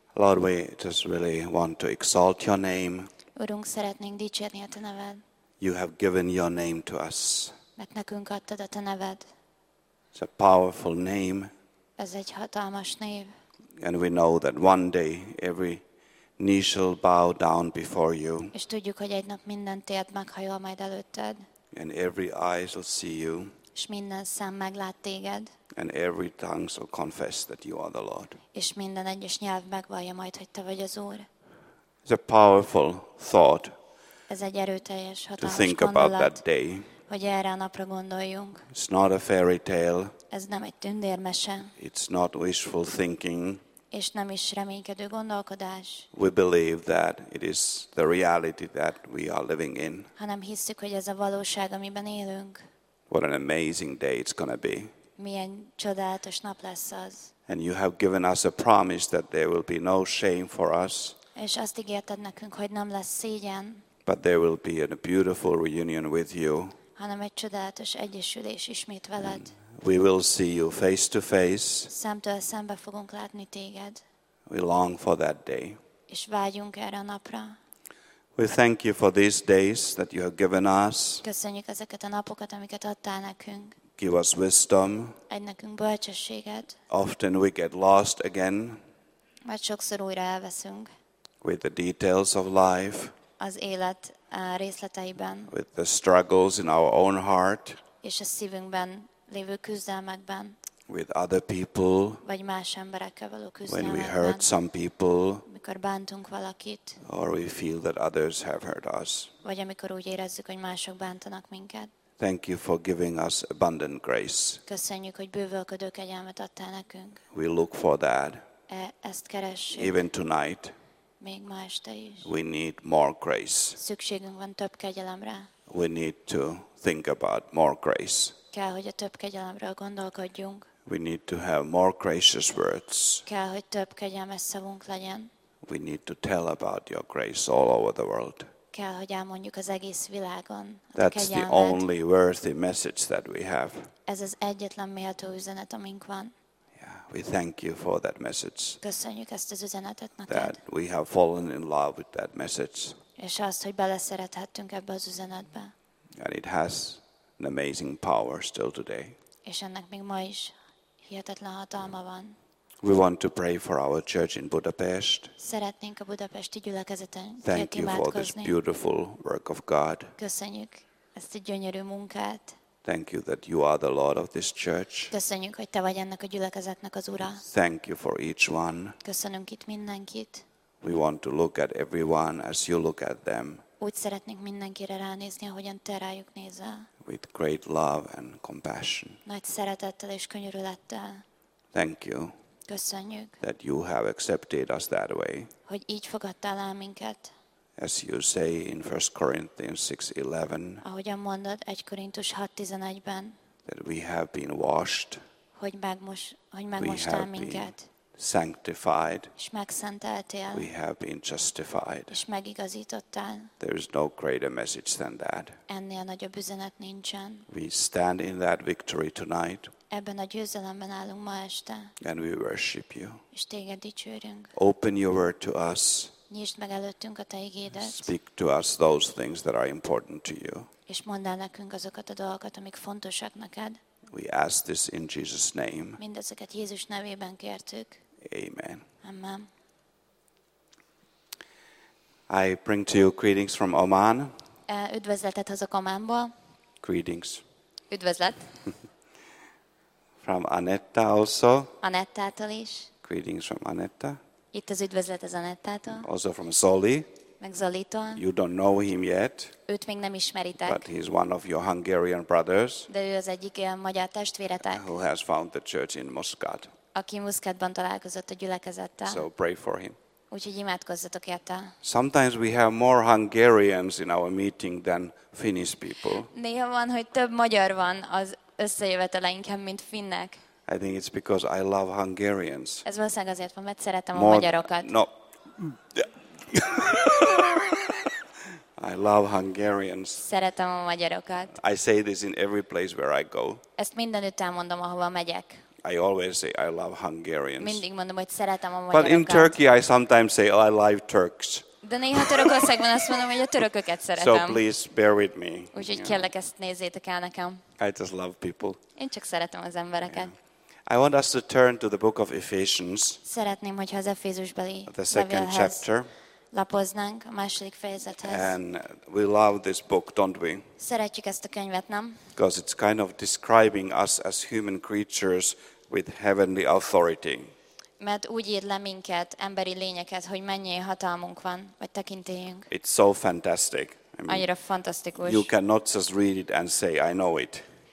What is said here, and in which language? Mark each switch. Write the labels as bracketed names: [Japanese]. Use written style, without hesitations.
[English] Lord, we just really want to exalt your name. [Hungarian] Urunk, szeretnénk dicsérni a te neved. [English] You have given your name to us. [Hungarian] Mert nekünk adtad a te neved. [English] It's a powerful name. [Hungarian] Ez egy hatalmas név. [English] And we know that one day every knee shall bow down before you. [Hungarian] És tudjuk, hogy egy nap minden térd meghajol majd előtted. [English] And every eye shall see you. [Hungarian] És minden szem meglát téged. [English] And every tongue shall confess that you are the Lord. [Hungarian] És minden egyes nyelv megvallja majd, hogy te vagy az Úr. [English] It's a powerful thought. [Hungarian] Ez egy erőteljes, hatalmas [English] gondolat. To think about that day. [Hungarian] Hogy erre a napra gondoljunk. [English] It's not a fairy tale. [Hungarian] Ez nem egy tündérmese. [English] It's not wishful thinking. [Hungarian] És nem is reménykedő gondolkodás. [English] We believe that it is the reality that we are living in. [Hungarian] Hanem hiszük, hogy ez a valóság, amiben élünk. [English] What an amazing day it's going to be. [Hungarian] Milyen csodálatos nap lesz az. [English] And you have given us a promise that there will be no shame for us. [Hungarian] És azt ígérted nekünk, hogy nem lesz szégyen. [English] But there will be a beautiful reunion with you. [Hungarian] Hanem egy csodálatos egyesülés ismét veled. [English] We will see you face to face. [Hungarian] Szemtől szembe fogunk látni téged. [English] We long for that day. [Hungarian] És vágyunk erre a napra. [English] We thank you for these days that you have given us. [Hungarian] Köszönjük ezeket a napokat, amiket adtál nekünk. [English] Give us wisdom. [Hungarian] Adj nekünk bölcsességet. [English] Often we get lost again. [Hungarian] Mert sokszor újra elveszünk. [English] With the details of life. [Hungarian] Az élet részleteiben. [English] With the struggles in our own heart. [Hungarian] És a szívünkben lévő küzdelmekben. [English] With other people. [Hungarian] Vagy más emberekkel való küzdelmekben. [English] When we hurt some people. [Hungarian] Amikor bántunk valakit. [English] Or we feel that others have hurt us. [Hungarian] Vagy amikor úgy érezzük, hogy mások bántanak minket. [English] Thank you for giving us abundant grace. [Hungarian] Köszönjük, hogy bővölködő kegyelmet adtál nekünk. [English] We look for that. [Hungarian] Ezt keressük. [English] Even tonight. [Hungarian] Még ma este is. [English] We need more grace. [Hungarian] Szükségünk van több kegyelemre. [English] We need to think about more grace. [Hungarian] Kell, hogy a több kegyelemről gondolkodjunk. [English] We need to have more gracious words. [Hungarian] Kell, hogy több kegyelmes szavunk legyen. [English] We need to tell about your grace all over the world. [Hungarian] Kell, hogy elmondjuk az egész világon. [English] That's the only worthy message that we have. [Hungarian] Ez az egyetlen méltó üzenet, amink van. [English] Yeah, we thank you for that message. [Hungarian] Köszönjük ezt az üzenetet neked. [English] That we have fallen in love with that message. [Hungarian] És azt, hogy beleszerethettünk ebbe az üzenetbe. [English] And it has an amazing power still today. [Hungarian] És ennek még ma is hihetetlen hatalma van. [English] We want to pray for our church in Budapest. [Hungarian] Szeretnénk a budapesti gyülekezeten. [English] Thank you for this beautiful work of God. [Hungarian] Köszönjük ezt a gyönyörű munkát. [English] Thank you that you are the Lord of this church. [Hungarian] Köszönjük, hogy te vagy ennek a gyülekezetnek az ura. [English] Thank you for each one. [Hungarian] Köszönünk itt mindenkit. [English] We want to look at everyone as you look at them. [Hungarian] Úgy szeretnénk mindenkire ránézni, ahogyan te rájuk nézel. [English] With great love and compassion. [Hungarian] Nagy szeretettel és könyörülettel. [English] Thank you. [Hungarian] Köszönjük. [English] That you have accepted us that way. [Hungarian] Hogy így fogadtál el minket. [English] As you say in 1 Corinthians 6:11. [Hungarian] Ahogyan mondod 1 Korintus 6:11-ben. [English] That we have been washed. [Hungarian] Hogy megmostál minket. [English] Sanctified. [Hungarian] És megszenteltél. [English] We have been justified. [Hungarian] És megigazítottál. [English] There is no greater message than that. [Hungarian] Ennél nagyobb üzenet nincsen. [English] We stand in that victory tonight. [Hungarian] Ebben a győzelemben állunk ma este. [English] And we worship you. [Hungarian] És téged dicsőrünk. [English] Open your word to us. [Hungarian] Nyisd meg előttünk a te igédet. [English] Speak to us those things that are important to you. [Hungarian] És mondd el nekünk azokat a dolgokat, amik fontosak neked. [English] We ask this in Jesus' name. [Hungarian] Mindezeket Jézus nevében kértük. Amen. Amen. [English] I bring to you greetings from Oman. [Hungarian] Üdvözletet hozok Ománból. [English] Greetings. [Hungarian] Üdvözlet. [English] From Anetta also. [Hungarian] Anettától is. [English] Greetings from Anetta. [Hungarian] Itt az üdvözlet az Anettától. [English] Also from Zoli. [Hungarian] Meg Zolito. [English] You don't know him yet. [Hungarian] Őt még nem ismeritek. [English] But he's one of your Hungarian brothers. [Hungarian] De ő az egyik magyar testvéretek. [English] Who has found the church in Muscat. [Hungarian] Aki Muscatban találkozott a gyülekezettel. [English] So pray for him. [Hungarian] Úgyhogy imádkozzatok érte. [English] Sometimes we have more Hungarians in our meeting than Finnish people. [Hungarian] Néha van, hogy több magyar van az összejöveteleinken, mint finnek. [English] I think it's because I love Hungarians. [Hungarian] Ez valószínűleg azért van, mert szeretem more, a magyarokat. [English] No. I love Hungarians. [Hungarian] Szeretem a magyarokat. [English] I say this in every place where I go. [Hungarian] Ezt mindenütt elmondom, ahova megyek. [English] I always say I love Hungarians. [Hungarian] Mindig mondom, hogy szeretem a magyarokat. [English] But in Turkey I sometimes say I love Turks. [Hungarian] De néha Törökországban azt mondom, hogy a törököket szeretem. [English] So please bear with me. [Hungarian] Úgyhogy kérlek, ezt nézzétek el nekem. [English] I just love people. [Hungarian] Én csak szeretem az embereket. [English] Yeah. I want us to turn to the book of Ephesians. [Hungarian] Szeretném, hogyha az Efézusbeli [English] the second chapter. [Hungarian] Lapoznánk a második fejezethez. [English] And we love this book, don't we? [Hungarian] Szeretjük ezt a könyvet, nem? [English] Because it's kind of describing us as human creatures with heavenly authority. [Hungarian] Mert úgy ír le minket, emberi lényeket, hogy mennyi hatalmunk van, vagy tekintélyünk. [English] It's so fantastic. [Hungarian] Annyira fantasztikus. [English] You cannot just read it and say, I know it.